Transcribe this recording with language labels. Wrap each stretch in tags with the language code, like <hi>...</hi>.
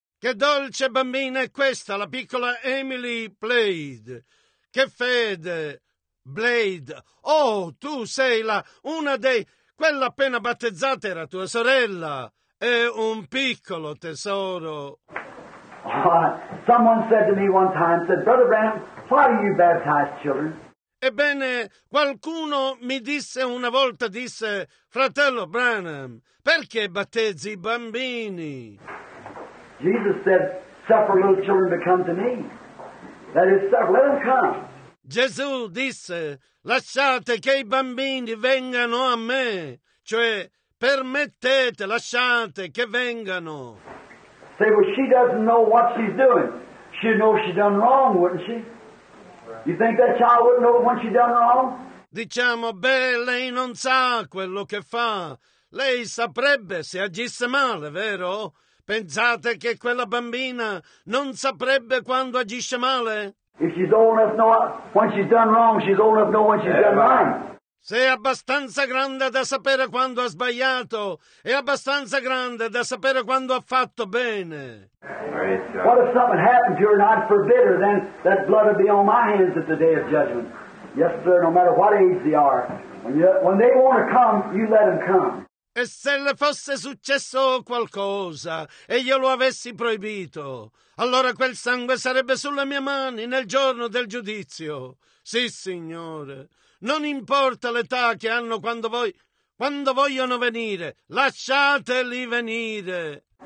<it>Che dolce bambina è questa, la piccola Emily Plaid. Che fede, Blaid. Oh, tu sei la una dei... Quella appena battezzata era tua sorella. È un piccolo tesoro.</it> <en>Someone said to me one time, said, Brother Branham, why do you baptize children?</en> <it>Ebbene, qualcuno mi disse una volta, disse, Fratello Branham, perché battezzi i bambini?</it> <en>Jesus said, suffer little children to come to me. That is, suffer, let them come.</en> <it>Gesù disse, lasciate che i bambini vengano a me, cioè, permettete, lasciate che vengano.</it> <en>Say, well, she doesn't know what she's doing. She'd know she done wrong, wouldn't she? You think that child wouldn't know when she done wrong?</en> <it>Diciamo, beh, lei non sa quello che fa. Lei saprebbe se agisse male, vero? Pensate che quella bambina non saprebbe quando agisce male?</it> <en>If she's old enough to know when she's done wrong, she's old enough to know when she's done wrong.</en> <it>Se è abbastanza grande da sapere quando ha sbagliato, è abbastanza grande da sapere quando ha fatto bene.</it> <en>What if something happened to her and I'd forbid her, then that blood would be on my hands at the day of judgment. Yes, sir, no matter what age they are. When they want to come, you let them come.</en> <it>E se le fosse successo qualcosa e io lo avessi proibito, allora quel sangue sarebbe sulle mie mani nel giorno del giudizio. Sì, Signore. Non importa l'età che hanno quando voi, quando vogliono venire, lasciateli venire.</it>